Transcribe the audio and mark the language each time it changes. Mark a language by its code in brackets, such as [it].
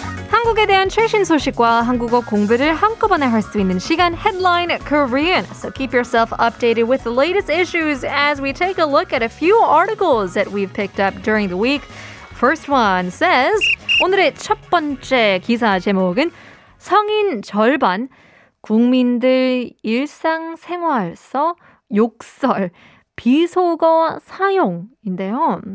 [ko] 한국에 대한 최신 소식과 한국어 공부를 한꺼번에 할 수 있는 시간, Headline Korean. [en] So keep yourself updated with the latest issues as we take a look at a few articles that we've picked up during the week. First one says, [ko] 오늘의 첫 번째 기사 제목은 성인 절반 국민들 일상생활서 욕설 비속어 사용인데요.